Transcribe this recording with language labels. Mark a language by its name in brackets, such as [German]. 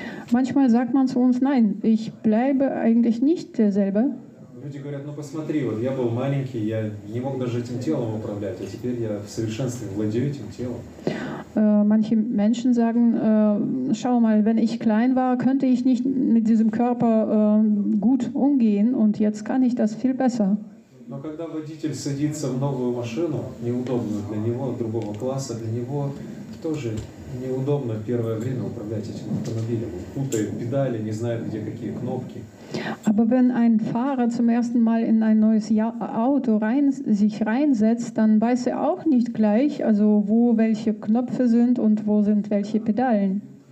[German] Manchmal sagt man zu uns, nein, ich bleibe eigentlich nicht derselbe. [Russian] Люди говорят, ну посмотри, вот я был маленький, я не мог даже этим телом управлять, а теперь я в совершенстве владею этим телом. [German] Manche Menschen sagen, schau mal, wenn ich klein war, könnte ich nicht mit diesem Körper gut umgehen und jetzt kann ich das viel besser. [Russian] Но когда водитель садится в новую машину, неудобную для него, другого класса, для него тоже неудобно первое время управлять этим автомобилем. Он путает педали, не знает, где какие кнопки. [German] Aber wenn ein Fahrer zum ersten Mal in ein neues Auto sich reinsetzt, dann weiß er auch nicht gleich, also wo welche Knöpfe sind und wo sind welche Pedalen.